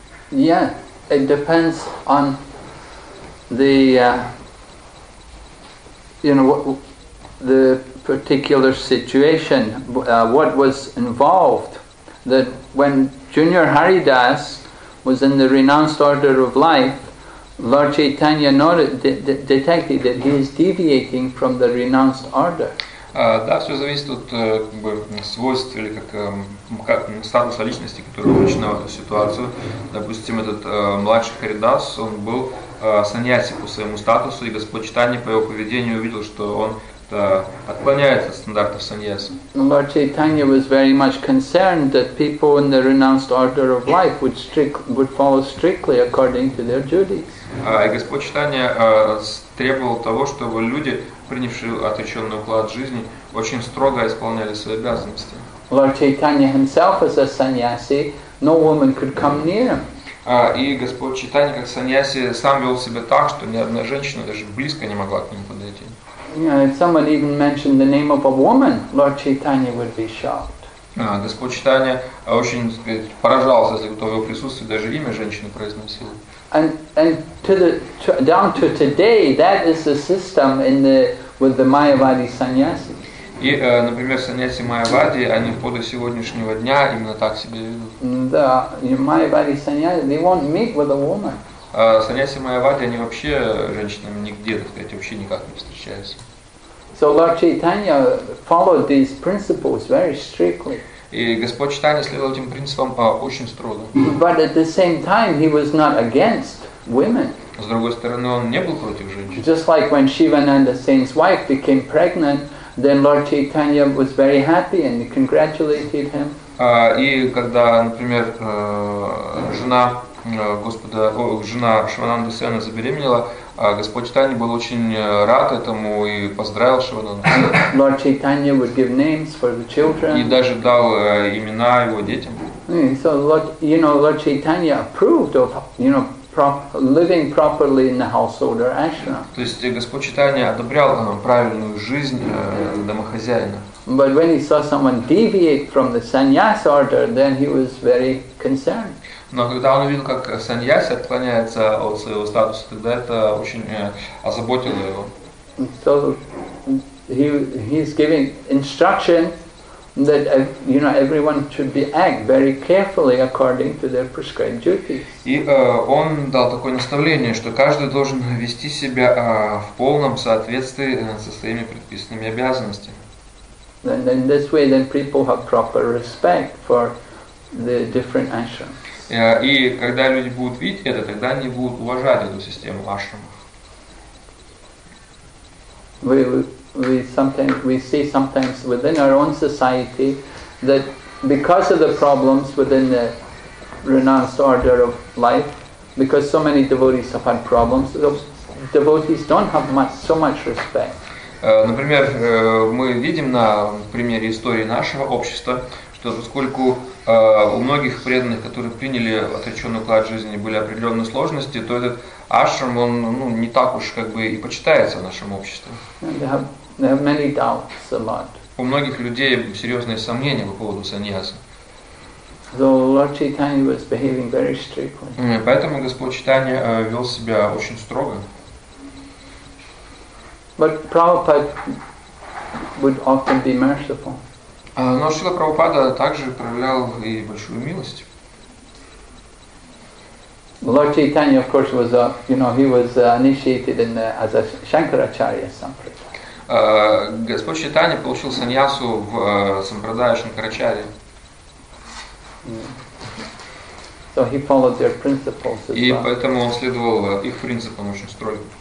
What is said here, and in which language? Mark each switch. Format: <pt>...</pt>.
<en>Yeah, it depends on the you know, what the particular situation, what was involved. That when Junior Haridas was in the renounced order of life, Lord Chaitanya noted, detected that he is deviating from the renounced order.</en> <ru>Да, все зависит от как бы, свойств или как статуса личности, который начинал эту ситуацию. Допустим, этот младший Харидас, он был саньяси по своему статусу, и Господь Чайтанья по его поведению увидел, что он отклоняется от стандартов саньяси.</ru> <en>Lord Chaitanya was very much concerned that people in the renounced order of life would follow strictly according to their duties.</en> <ru>И Господь Чайтанья требовал того, чтобы люди, принявшие отреченный уклад жизни, очень строго исполняли свои обязанности.</ru> <en>Lord Chaitanya himself as a sannyasi, no woman could come near him.</en> <ru>И Господь Чайтанья как саньяси сам вел себя так, что ни одна женщина даже близко не могла к нему подойти.</ru> <en>If someone even mentioned the name of a woman, Lord Chaitanya would be shocked.</en> <ru>Господь Чайтанья очень, сказать, поражался, если кто в его присутствии даже имя женщины произносил.</ru> <en>And down to today, that is the system with the Mayavadi sannyasi.</en> <ru>И, например, саньяси Майявади, они по до сегодняшнего дня именно так себя ведут. Да, Майявади саньяси,</ru> <en>they won't meet with a woman.</en> <ru>Саньяси Майявади, они вообще женщинами нигде, так сказать, вообще никак не встречаются.</ru> <en>So Lord Chaitanya followed these principles very strictly.</en> <ru>И Господь Чайтанья следовал этим принципам очень строго.</ru> <en>But at the same time, he was not against women.</en> <ru>С другой стороны, он не был против женщин.</ru> <en>Just like when Shivananda Sen's wife became pregnant, then Lord Chaitanya was very happy and congratulated him.</en> <ru>И когда, например, жена Господа, жена Шивананды Сена забеременела, Господь Чайтанья был очень рад этому и поздравил Шиванану.</ru> <en>Lord Chaitanya would give names for the children.</en> <ru>И даже дал имена его детям.</ru> <en>So Lord, you know, Lord Chaitanya approved of, you know, living properly in the household or ashram.</en> <ru>То есть Господь Чайтанья одобрял правильную жизнь домохозяина.</ru> <en>But when he saw someone deviate from the sannyas order, then he was very concerned.</en> <ru>Но когда он увидел, как саньяси отклоняется от своего статуса, тогда это очень озаботило его.</ru> <en>So he's giving instruction that you know everyone should be act very carefully according to their prescribed duties.</en> <ru>И он дал такое наставление, что каждый должен вести себя в полном соответствии со своими предписанными обязанностями.</ru> <en>And in this way, then people have proper respect for the different ashrams.</en> <ru>И когда люди будут видеть это, тогда они будут уважать эту систему ашрамов.</ru> <en>We sometimes we see sometimes within our own society that because of the problems within the renounced order of life, because so many devotees have had problems, those devotees don't have much so much respect.</en> <ru>Например, мы видим на примере истории нашего общества, что поскольку у многих преданных, которые приняли отреченный уклад жизни, были определенные сложности, то этот ашрам, он ну, не так уж как бы и почитается в нашем обществе.</ru> <en>They have many doubts a lot.</en> <ru>У многих людей серьезные сомнения по поводу саньяса.</ru> <en>So Lord Chaitanya was behaving very strictly.</en> <ru>Поэтому Господь Чайтанья вел себя очень строго.</ru> <en>But Prabhupada would often be merciful.</en> <ru>Но Шрила Прабхупада также проявлял и большую милость.</ru> <en>Lord Chaitanya, of course, was a, you know, he was initiated in the, as a Shankaracharya sampradaya.</en> <ru>Господь Чайтанья получил саньясу в сампрадае Шанкарачарье.</ru> <en>So he followed their principles.</en> <ru>И поэтому он следовал их принципам очень строго.</ru>